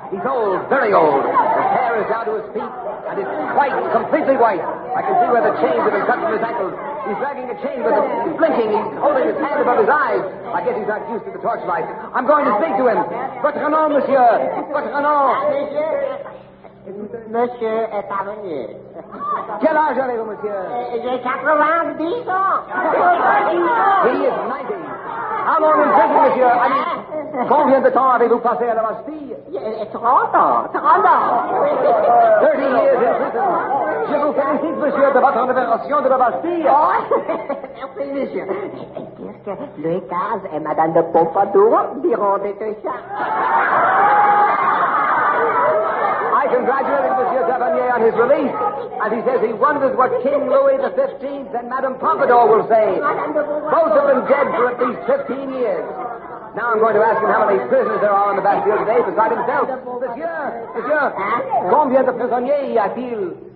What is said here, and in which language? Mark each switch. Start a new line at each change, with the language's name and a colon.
English: He's old, very old. His hair is down to his feet, and it's white, completely white. I can see where the chains have been cut from his ankles. He's dragging a chain with him. He's blinking. He's holding his hand above his eyes. I guess he's not used to the torchlight. I'm going to speak to him.
French: Votre nom, monsieur. Votre nom. Monsieur est parvenu. Quel âge avez-vous, monsieur? J'ai 90 ans.
English: He is 90. How long in prison, monsieur? I mean,
French: combien de temps avez-vous passé à la Bastille? 30 ans.
English: 30 years in prison.
French: Je vous félicite, monsieur, de votre libération de la Bastille. Oh, merci, monsieur. Qu'est-ce que Louis XV et Madame de Pompadour diront des deux chats?
English: I congratulate Monsieur Tavernier on his release, and he says he wonders what King Louis XV and Madame Pompadour will say. Both of them dead for at least 15 years. Now I'm going to ask him how many prisoners there are on the Bastille today beside himself.
French: Monsieur, combien de prisonniers y a-t-il?